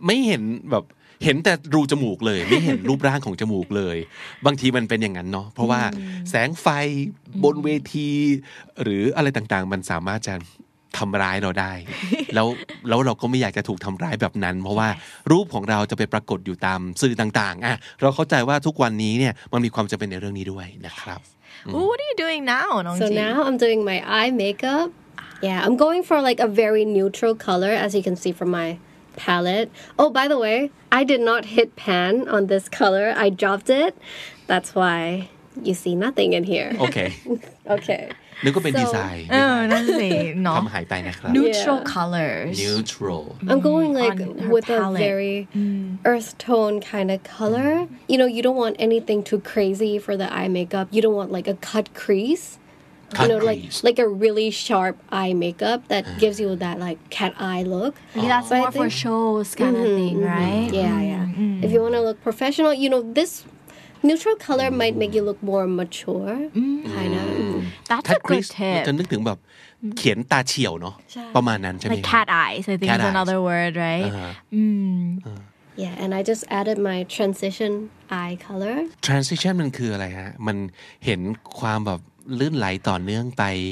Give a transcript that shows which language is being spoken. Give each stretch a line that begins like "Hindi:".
Thai: ไม่เห็นแบบเห็นแต่รูจมูกเลยไม่เห็นรูปร่างของจมูกเลยบางทีมันเป็นอย่างนั้นเนาะเพราะว่าแสงไฟบนเวทีหรืออะไรต่างๆมันสามารถจะทำร้ายเราได้แล้วเราก็ไม่อยากจะถูกทำร้ายแบบนั้นเพราะว่ารูปของเราจะไปปรากฏอยู่ตามสื่อต่างๆอ่ะเราเข้าใจว่าทุกวันนี้เนี่ยมันมีความจำเป็นในเรื่องนี้ด้วยนะครับ
English: What are you doing now น้องจี So now I'm doing my eye makeup Yeah I'm going for like a very neutral color as you can see from mypalette. Oh, by the way, I did not hit pan on this color. I dropped it. That's why you see nothing in here. Okay. Okay.
Thai: นึกว่าเป็นดีไซน์เออนั่นสิเน า ะ ทำหายไปนะครับ
English: neutral colors neutral I'm going like with a very earth tone kind of color. You know, you don't want anything too crazy for the eye makeup. You don't want like a cut creaseYou know, like a really sharp eye makeup that gives you that like cat eye look. Yeah, that's more for shows kind of thing, right? Yeah, yeah. If you want to look professional, you know, this neutral color might make you look more mature, kind of. That's a good tip.
Thai: จะนึกถึงแบบเขียนตาเฉียวเนาะประมาณนั้นใช่ไหม
English: Like cat eyes, I think is another word, right? Yeah, and I just added my transition eye color.
Thai: Transition มันคืออะไรฮะมันเห็นความแบบลื่นไหลต่อเนื่องไป